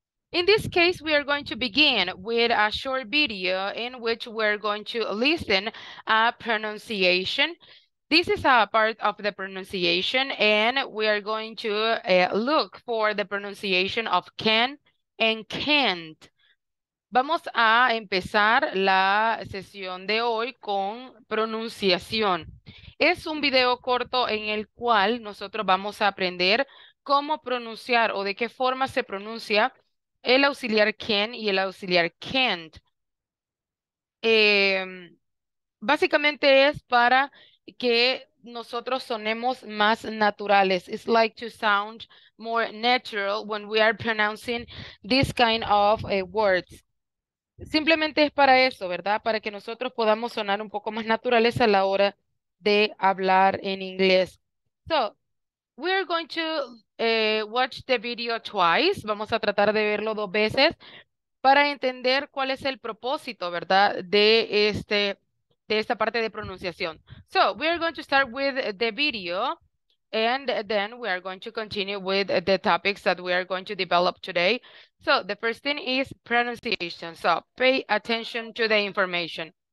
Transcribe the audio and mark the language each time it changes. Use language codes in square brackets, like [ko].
[en] In this case, we are going to begin with a short video in which we're going to listen a pronunciation. This is a part of the pronunciation, and we are going to look for the pronunciation of can and can't. [es] Vamos a empezar la sesión de hoy con pronunciación. Es un video corto en el cual nosotros vamos a aprender cómo pronunciar o de qué forma se pronuncia el auxiliar can y el auxiliar can't. Básicamente es para que nosotros sonemos más naturales. [en] It's like to sound more natural when we are pronouncing this kind of words. [es] Simplemente es para eso, ¿verdad? Para que nosotros podamos sonar un poco más naturales a la hora de hablar en inglés. [en] So, we are going to watch the video twice. [es] Vamos a tratar de verlo dos veces para entender cuál es el propósito, ¿verdad? De esta parte de pronunciación. [en] So, we are going to start with the video, and then we are going to continue with the topics that we are going to develop today. So the first thing is pronunciation. So pay attention to the information.